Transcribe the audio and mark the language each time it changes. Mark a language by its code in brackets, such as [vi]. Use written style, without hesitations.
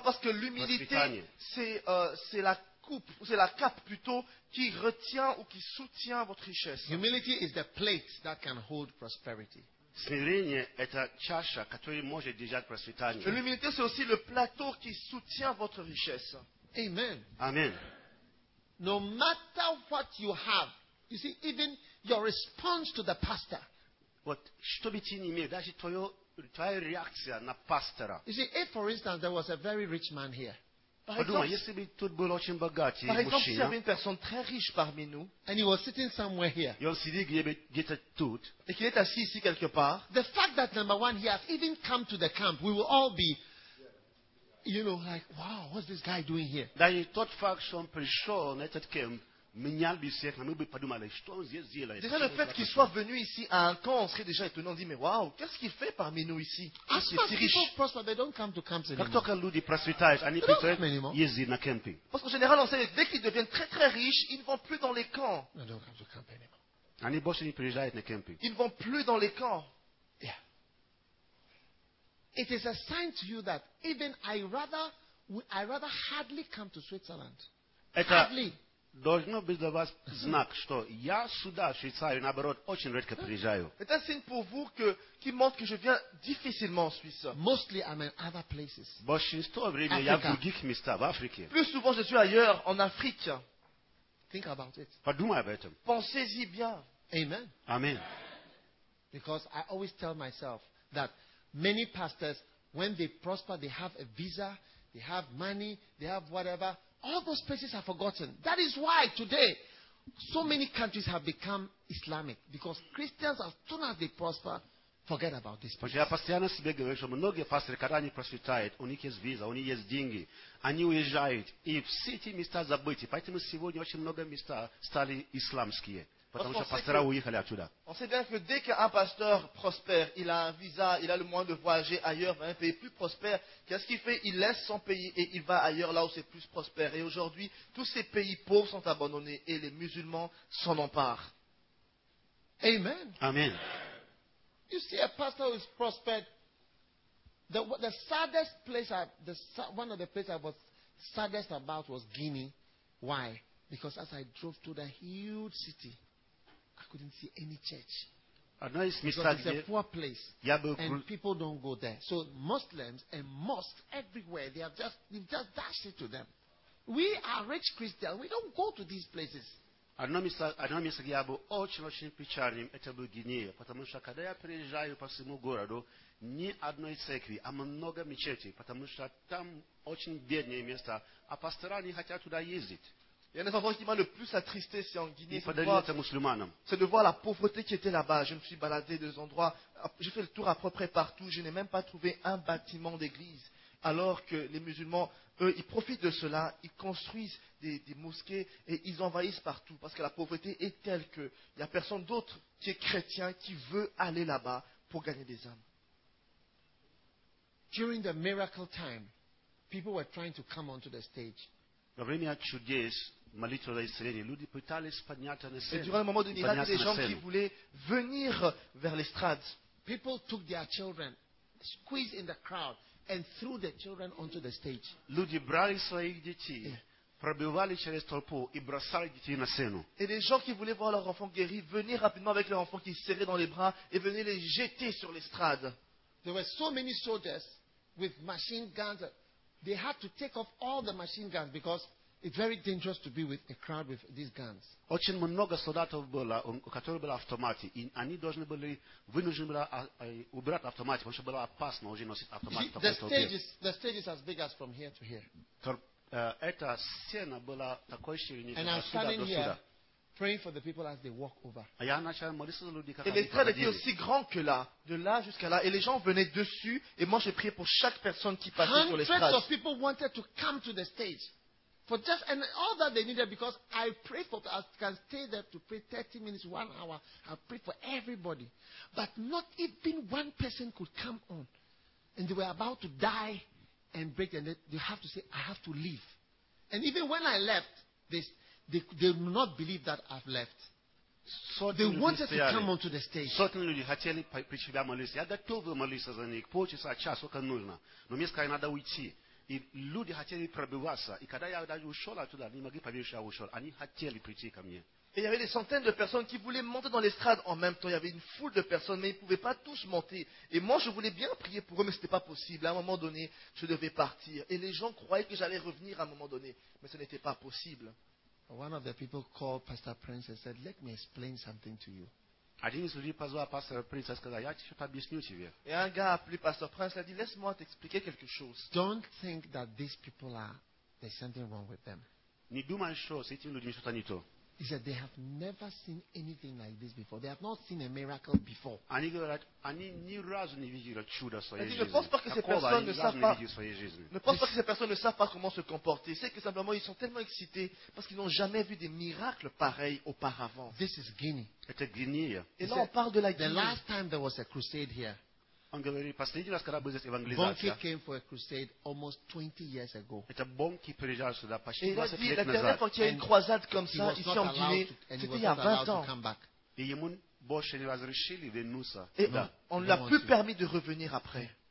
[fr] Parce que l'humilité, c'est la coupe, ou c'est la cape plutôt, qui retient ou qui soutient votre richesse. [en] Humility is the plate that can hold prosperity. [ru] Смирение – это чаша, которая может держать процветание. [fr] L'humilité, c'est aussi le plateau qui soutient votre richesse. [en] Amen. Amen. No matter what you have, you see, even your response to the pastor. [ru] Вот, что бы ты ни имел, даже твоя реакция на пастора. [en] You see, if for instance there was a very rich man here. [ru] Подумай, если бы тут был очень богатый мужчина. [fr] Par exemple, s'il y avait une personne très riche parmi nous. [en] And he was sitting somewhere here. [fr] Et [ru] он сидит где-то тут. [fr] Et qu'il est assis ici quelque part. [en] The fact that number one, he has even come to the camp, we will all be, you know, like, wow, what's this guy doing here? [ru] Даже тот факт, что он пришел на этот кемп. [fr] Déjà le fait qu'il soit venu ici à un camp, on serait déjà étonné. On dit, mais waouh, qu'est-ce qu'il fait parmi nous ici? Il est si riche. Parce qu'en général, on sait dès qu'ils deviennent très très riches, ils ne vont plus dans les camps. Ils ne vont plus dans les camps. [en] Yeah. It is a sign to you that even I rather hardly come to Switzerland. Hardly. [ru] Должно быть для вас знак, что я сюда, в Швейцарию, наоборот, очень редко приезжаю. Это [fr] signe pour vous qui montre que je viens difficilement en Suisse. [en] Mostly I'm in other places. [ru] Большинство времени я в других местах, в Африке. [fr] Plus souvent je suis ailleurs, en Afrique. [en] Think about it. [ru] Подумай об этом. [fr] Pensez-y bien. [en] Amen. Amen. Because I always tell myself that many pastors, when they prosper, they have a visa, they have money, they have whatever. All those places are forgotten. That is why today, so many countries have become Islamic. Because Christians, as soon as they prosper, forget about this place. [ru] Я постоянно себе говорю, что многие пасторы, когда они процветают, у них есть виза, у них есть деньги, они уезжают, и все эти места забыты. Поэтому сегодня очень много мест стали исламские. Потому что пастора уехали отсюда. [fr] On sait bien que dès qu'un pasteur prospère, il a un visa, il a le moyen de voyager ailleurs dans un pays plus prospère, qu'est-ce qu'il fait? Il laisse son pays et il va ailleurs là où c'est plus prospère. Et aujourd'hui, tous ces pays pauvres sont abandonnés et les musulmans s'en emparent. [en] Amen. Amen. You see, a pastor who is prospered, the saddest place, one of the places I was saddest about was Guinea. Why? Because as I drove through the huge city, I couldn't see any church. It's a poor place. And people don't go there. So Muslims and mosques everywhere, they've just dashed it to them. We are rich Christians. We don't go to these places. [ru] Одно место, где я был очень-очень печальным, это был Гинея. Потому что, когда я приезжаю по всему городу, ни одной церкви, а много мечетей. Потому что там очень бедное место, а пастора не хотят туда ездить. [fr] Il y a un événement qui m'a le plus attristé, c'est en Guinée. C'est de voir la pauvreté qui était là-bas. Je me suis baladé des endroits. J'ai fait le tour à peu près partout. Je n'ai même pas trouvé un bâtiment d'église. Alors que les musulmans, eux, ils profitent de cela. Ils construisent des mosquées et ils envahissent partout. Parce que la pauvreté est telle qu'il n'y a personne d'autre qui est chrétien qui veut aller là-bas pour gagner des âmes. [en] During the miracle time, people were trying to come onto the stage. [ru] Во время чудес, молитва за исцеление, люди пытались подняться на сцену. [fr] Et durant le moment de miracle, des gens qui voulaient venir vers l'estrade. [en] People took their children, squeezed in the crowd, and threw their children onto the stage. [ru] Люди брали своих детей, пробивали через толпу и бросали детей на сцену. [fr] Et les gens qui voulaient voir leur enfant guéri venir rapidement avec leur enfant qui serrait dans les bras et venaient les jeter sur l'estrade. [en] There were so many soldiers with machine guns. They had to take off all the machine guns because it's very dangerous to be with a crowd with these guns. [ru] Очень много солдатов было, у которых были автоматы, и они должны были вынуждены были убрать автомат, потому что было опасно уже носить автомат. [en] The stage is as big as from here to here. [ru] Эта сцена была такой ширины. [en] And I'm standing here, praying for the people as they walk over. [ru] Я начал молиться за людей, как они [fr] Et l'estrade était aussi grand que là, de là jusqu'à là, et les gens venaient dessus, et moi j'ai prié pour chaque personne qui passait sur l'estrade. [en] Hundreds of people wanted to come to the stage. For just and all that they needed, because I prayed for, I can stay there to pray 30 minutes, 1 hour. I prayed for everybody. But not even one person could come on. And they were about to die and break. And they have to say, I have to leave. And even when I left, they would not believe that I've left. So they wanted to come onto the stage. Certainly, [ru] люди хотели прийти в молиться. Я готов молиться за них. Полчаса, час, сколько нужно. Но мне сказали, надо уйти. И люди хотели пробиваться. И когда я даже ушел оттуда, они могли поверить, что я ушел. Они хотели прийти ко мне. [fr] Et il y avait des centaines de personnes qui voulaient monter dans l'estrade en même temps. Il y avait une foule de personnes, mais ils ne pouvaient pas tous monter. Et moi, je voulais bien prier pour eux, mais ce n'était pas possible. À un moment donné, je devais partir. Et les gens croyaient que j'allais revenir à un moment donné, mais ce n'était pas possible. [en] One of the people called Pastor Prince and said, "Let me explain something to you." [ru] Один из людей позвал пастора Принца и сказал, я что-то объясню тебе. [fr] Et un gars appelé Pastor Prince a dit, laisse-moi t'expliquer quelque chose. [en] Don't think that these people are, there's something wrong with them. [ru] Не думай, что с этими людьми что-то не то. [en] He said, they have never seen anything like this before. They have not seen a miracle before. [ru] Они говорят, они ни разу не видели чудо в своей жизни. [fr] Ne pense pas que ces personnes ne savent pas comment se comporter. C'est que simplement, ils sont tellement excités parce qu'ils n'ont jamais vu des miracles pareils auparavant. [en] This is Guinea. [ru] Это Гвинея. [fr] Et là, on parle de la Guinée. [en] The last time there was a crusade here. [ru] Он говорит, последний раз, когда была евангелизация. [en] Bonnke came for a crusade almost 20 years ago. [ru] Это Бонки приезжал сюда почти 20 лет назад. И [fr] дернière fois qu'il y a une croisade comme ça, ici en Guinée, c'était il y a 20 ans. [ru] И ему больше не разрешили вернуться. [fr] Et on ne l'a plus permis de revenir après.